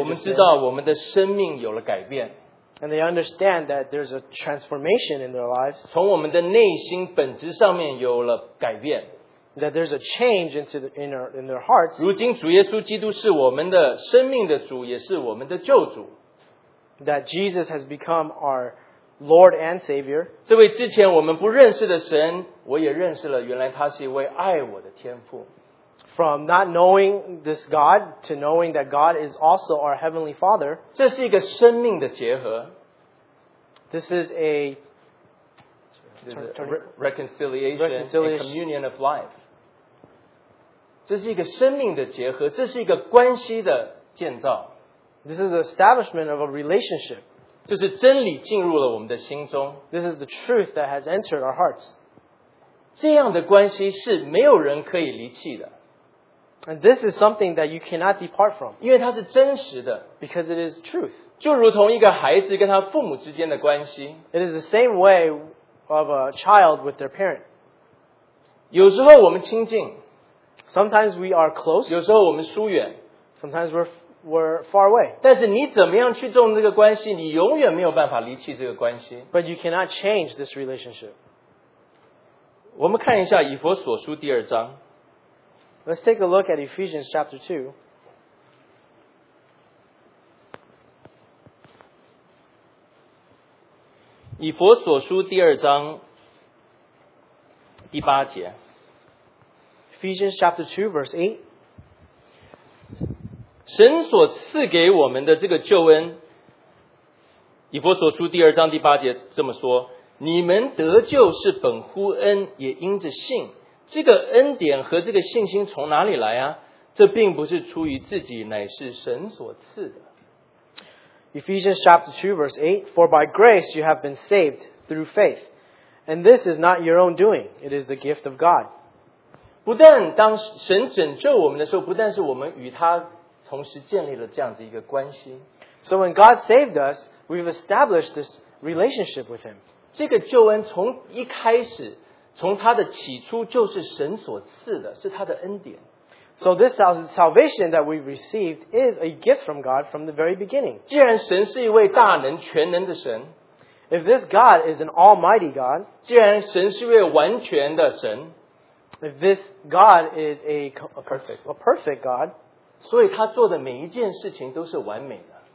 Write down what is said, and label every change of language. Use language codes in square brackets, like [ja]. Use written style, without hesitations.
[zh] 我们知道我们的生命有了改变 [en] and they understand that there's a transformation in their lives. [zh] 从我们的内心本质上面有了改变。 [en] That there's a change into the, in their hearts. [zh] 如今主耶稣基督是我们的生命的主，也是我们的救主。 [en] That Jesus has become our Lord and Savior. [zh] 这位之前我们不认识的神，我也认识了，原来他是一位爱我的天父。 [en] From not knowing this God to knowing that God is also our Heavenly Father. [zh] 这是一个生命的结合。 [en] This is a reconciliation, a communion of life. [zh] 这是一个生命的结合，这是一个关系的建造。 [en] This is the establishment of a relationship. [zh] 这是真理进入了我们的心中。 [en] This is the truth that has entered our hearts. [zh] 这样的关系是没有人可以离弃的。 [en] And this is something that you cannot depart from. [zh] 因为它是真实的。 [en] Because it is truth. [zh] 就如同一个孩子跟他父母之间的关系。 [en] It is the same way of a child with their parent. [zh] 有时候我们亲近。 [en] Sometimes we are close. [zh] 有时候我们疏远。 [en] Sometimes we're far away. [zh] 但是你怎么样去种这个关系，你永远没有办法离弃这个关系。 [en] But you cannot change this relationship. [zh] 我们看一下以弗所书第二章。 [en] Let's take a look at Ephesians chapter 2. [zh] 以弗所书第二章第八节。 [en] Ephesians chapter 2 verse 8. [zh] 神所赐给我们的这个救恩，以弗所书第二章第八节这么说，你们得救是本乎恩，也因着信。这个恩典和这个信心从哪里来啊？这并不是出于自己，乃是神所赐的。 [en] Ephesians chapter 2 verse 8. For by grace you have been saved through faith. And this is not your own doing. It is the gift of God. [zh] 不但当神拯救我们的时候，不但是我们与他同时建立了这样子一个关系。 [en] So when God saved us, we've established this relationship with him. [zh] 这个救恩从一开始，从他的起初就是神所赐的，是他的恩典。 [en] So this salvation that we received is a gift from God from the very beginning. [zh] 既然神是一位大能全能的神， [en] If this God is an almighty God, [zh] 既然神是一位完全的神， [en] If this God is a perfect God, [zh] 所以他做的每一件事情都是完美的。